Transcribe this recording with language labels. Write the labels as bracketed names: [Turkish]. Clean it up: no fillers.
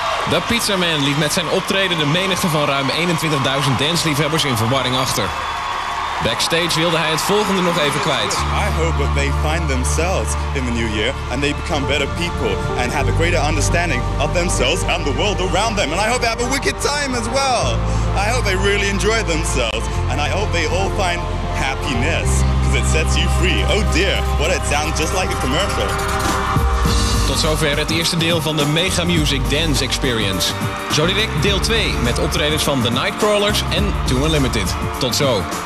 [Dutch] De Pizza Man liet met zijn optreden de menigte van ruim 21.000 dansliefhebbers in verwarring achter. Backstage wilde hij het volgende nog even kwijt. [English] I hope that they find themselves in the new year and they become better people and have a greater understanding of themselves and the world around them. And I hope they have a wicked time as well. I hope they really enjoy themselves and I hope they all find happiness because it sets you free. Oh dear, what it sounds just like a commercial. [Dutch] Tot zover het eerste deel van de Mega Music Dance Experience. Zo direct deel 2 met optredens van The Nightcrawlers en Two Unlimited. Tot zo.